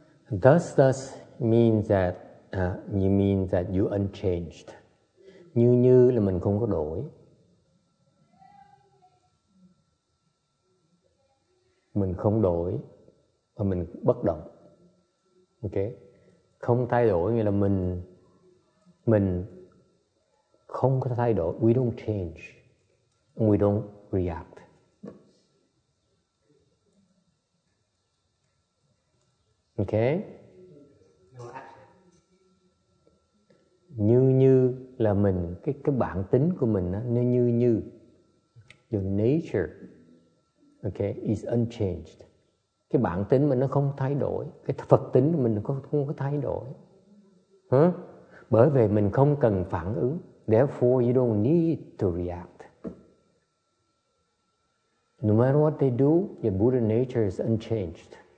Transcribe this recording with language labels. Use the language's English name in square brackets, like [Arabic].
[English] Thus, thus means that you mean that you unchanged. [Vietnamese] Như như là mình không có đổi. Mình không đổi và mình bất động. Ok. Không thay đổi nghĩa là mình không có thay đổi. [English] We don't change. We don't react. Ok. [Vietnamese] Như như là mình, cái bản tính của mình nó như như. [English] Your nature. Okay, is unchanged. [Vietnamese] Cái bản tính mình nó không thay đổi, cái Phật tính mình không có thay đổi. Huh? Bởi vì mình không cần phản ứng. [English] Therefore, you don't need to react. No matter what they do, your Buddha nature is unchanged.